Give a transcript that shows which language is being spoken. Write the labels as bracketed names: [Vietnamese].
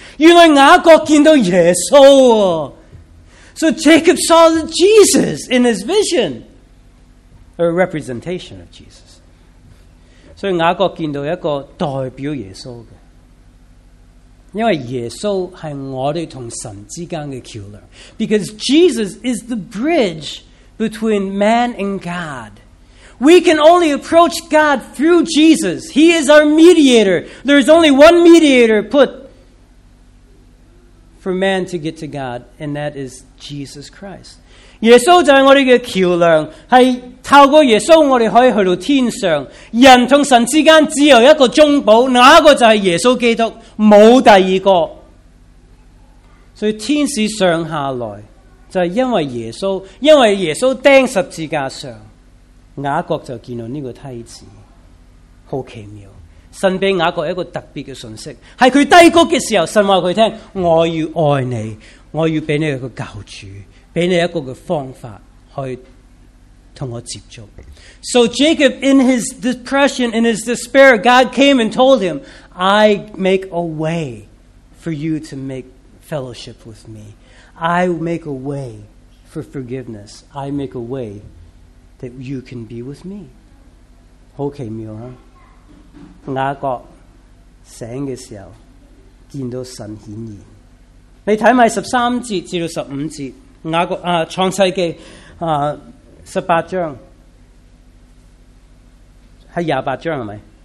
[Chinese] 原来雅各见到耶稣哦。 [English] So Jacob saw Jesus in his vision, a representation of Jesus. [Chinese] 所以雅各见到一个代表耶稣的。因为耶稣是我们与神之间的桥梁。 [English] Because Jesus is the bridge between man and God. We can only approach God through Jesus. He is our mediator. There is only one mediator put for man to get to God, and that is Jesus Christ. [Chinese] 耶稣就是我们的桥梁，是透过耶稣我们可以去到天上。人与神之间只有一个中保，那个就是耶稣基督，没有第二个。所以天使上下来就是因为耶稣，因为耶稣钉十字架上，雅各就见到这个梯子，好奇妙。神给雅各一个特别的讯息，是他低谷的时候，神告诉他，我要爱你，我要给你一个教主，给你一个的方法去跟我接触。 [English] So Jacob, in his depression, in his despair, God came and told him, I make a way for you to make fellowship with me. I make a way for forgiveness. I make a way that you can be with me. [Chinese] 好奇妙啊！雅各醒的时候见到神显现。你看埋13节至15节。创世纪十八章是二十八章是吧？